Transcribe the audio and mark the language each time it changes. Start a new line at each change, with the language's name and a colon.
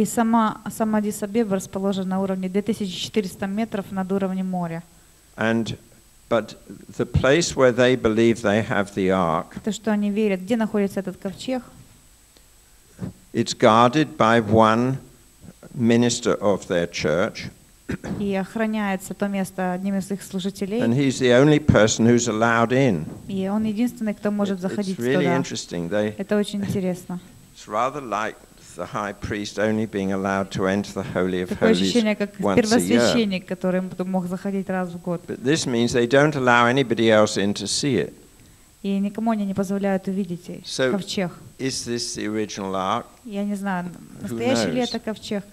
Russian: И сама Адис-Абеба расположена на уровне 2,400 метров над уровнем моря.
English: And but the place where they believe they have the ark.
Russian: То, что они верят, где находится этот ковчег?
English: It's guarded by one minister of their church.
Russian: И охраняется то место одним из их служителей.
English: And he's the only person who's allowed in.
Russian: И он единственный, кто может заходить туда.
English: It's really interesting.
Russian: Это очень интересно.
English: It's rather like the high priest only being allowed to enter the Holy of Holies once a year. But this means they don't allow anybody else in to see it.
Russian: И никому они не позволяют увидеть ковчег.
English: Is this the original ark?
Russian: Я не знаю, настоящий ли это ковчег.